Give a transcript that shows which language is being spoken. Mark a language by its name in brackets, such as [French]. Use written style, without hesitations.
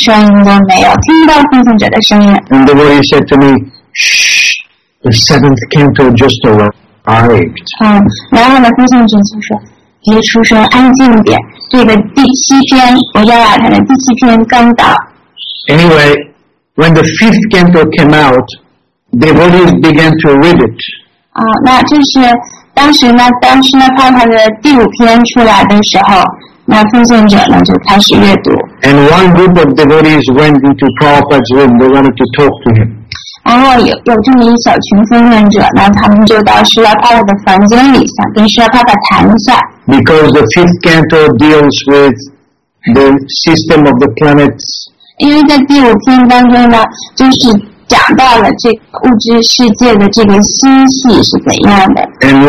[Chinese] 然后那次我去庙里的时候呢，我碰到庙里面特别的安静，一点声音都没有，听不到奉献者的声音。 [English] And the devotee said to me, "Shh, the seventh canto just arrived." [Chinese] 然后呢，奉献者就说，别出声，安静点，这个第七篇，我要把它的第七篇刚到。 [English] Anyway, when the fifth canto came out, the devotees began to read it. [Chinese] 那这是当时呢，当时呢，当他的第五篇出来的时候，那奉献者呢就开始阅读。 [English] And one group of devotees went into Prabhupada's room. They wanted to talk to him. [Chinese] 然后有这么一小群奉献者呢，他们就到Srila Prabhupada的房间里，想跟Srila Prabhupada谈一下。 [English] Because the fifth canto deals with the system of the planets. [Chinese] 因为在第五篇当中呢，就是讲到了这个物质世界的这个星系是怎样的。 [English] And